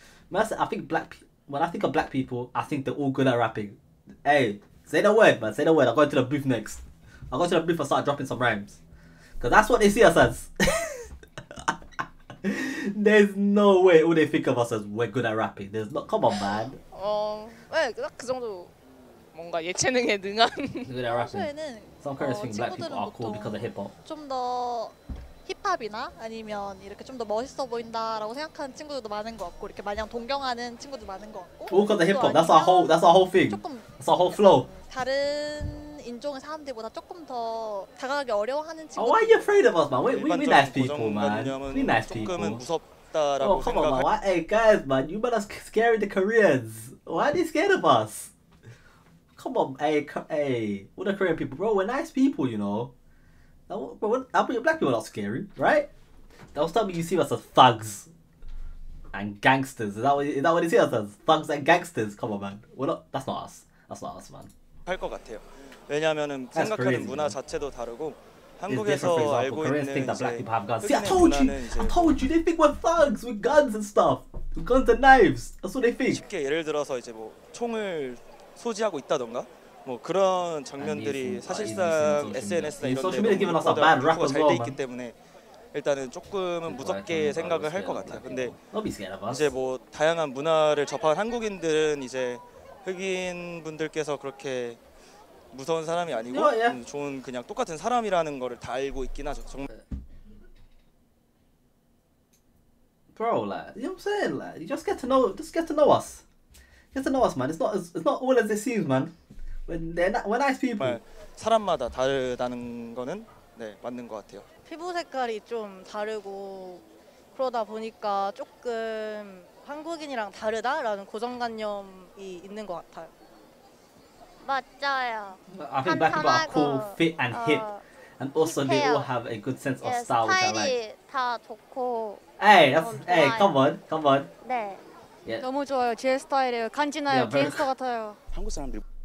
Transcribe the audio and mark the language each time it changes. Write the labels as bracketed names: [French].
[English] Man, when I think of black people, I think they're all good at rapping. Hey, say the word, man, say the word. I'll go into the booth next. I'll go to the booth and start dropping some rhymes. Because that's what they see us as. There's no way all they think of us as we're good at rapping. There's not, come on, man. [Korean] 왜 그 정도 뭔가 예체능에 능한 근데 알았어요. [English] Some Koreans think black people are cool because of hip hop. [Korean] 좀 더 힙합이나 아니면 이렇게 좀 더 멋있어 보인다라고 생각하는 친구들도 많은 것 같고 이렇게 마냥 동경하는 친구들도 많은 것 같고. [English] Because of hip hop. That's our whole thing. That's our whole flow. [Korean] 다른 인종의 사람들보다 조금 더 다가가기 어려워하는 친구들. [English] Oh, why are you afraid of us, man? We nice people, man. We nice people. Oh, come on, man. Why? Hey, guys, man, you better scare the Koreans. Why are they scared of us? Come on, hey, what are Korean people? Bro, we're nice people, you know. But black people are not scary, right? Don't tell me you see us as thugs and gangsters. Is that what you see us as? Thugs and gangsters? Come on, man. That's not us, man. That's crazy. It's different, for example, Koreans think that black people have guns. See, I told you, they think we're thugs with guns and stuff. With guns and knives. That's what they think. [Korean] 쉽게 예를 들어서 이제 뭐 총을 소지하고 있다던가 뭐 그런 장면들이 사실상 SNS나 이런 데 너무 보다 홍보가 잘 돼 있기 때문에 일단은 조금은 무섭게 생각을 할 것 같아요. 근데 이제 뭐 다양한 문화를 접한 한국인들은 이제 흑인 분들께서 그렇게 무서운 사람이 아니고 [English] yeah, yeah. [Korean] 좋은 그냥 똑같은 사람이라는 거를 다 알고 있긴 하죠. 정말. [English] Bro, like, you know what I'm saying? Like, you just get to know us. Get to know us, man. It's not all as it seems, man. We're nice people. [Korean] 사람마다 다르다는 거는 네 맞는 것 같아요. 피부 색깔이 좀 다르고 그러다 보니까 조금 한국인이랑 다르다라는 고정관념이 있는 것 같아요. 맞아요. [English] I think black people are cool, fit, and hip. And also, [Korean] 힙해요. [English] They all have a good sense of [Korean] 예, [English] style, which I like. [Korean] 다 좋고. [English] Hey, that's, hey, [Korean] 좋아요. [English] come on. [Korean] 네. Yeah. 너무 좋아요. 제 스타일이에요. 간지나요. 갱스터 같아요. 한국 사람들.